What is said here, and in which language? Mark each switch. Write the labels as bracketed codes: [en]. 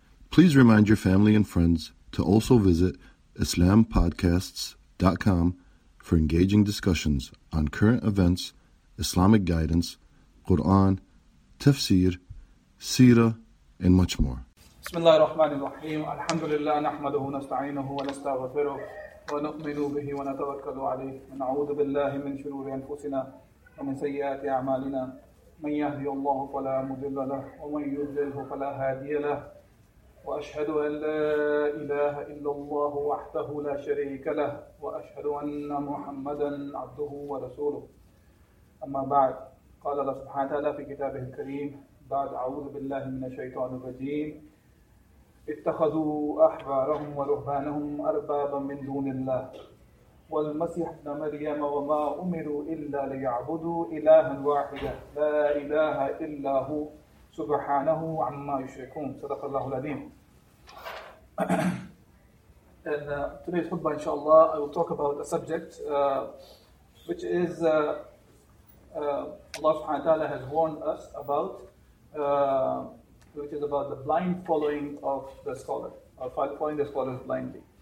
[en] Please remind your family and friends to also visit IslamPodcasts.com for engaging discussions on current events, Islamic guidance, Quran, tafsir, seerah, and much more. [ar] بسم الله الرحمن الرحيم الحمد لله نحمده ونستعينه ونستغفره ونؤمن به ونتوكل عليه ونعوذ بالله من شرور أنفسنا ومن سيئات أعمالنا من يهدي الله فلا مضل له ومن يضلله فلا هادي له وأشهد أن لا إله إلا الله وحده لا شريك له وأشهد أن محمدا عبده ورسوله أما بعد قال الله سبحانه وتعالى في كتابه الكريم بعد أعوذ بالله من الشيطان الرجيم اتخذوا أحبارهم ورهبانهم أربابا من دون الله والمسيح ابن مريم وما أمروا إلا ليعبدوا إلها واحدا لا إله إلا هو سبحانه عما يشركون صدق الله العظيم. [en] In today's khutbah, inshallah, I will talk about a subject which is Allah subhanahu wa ta'ala has warned us about, which is about the blind following of the scholar, or following the scholars blindly.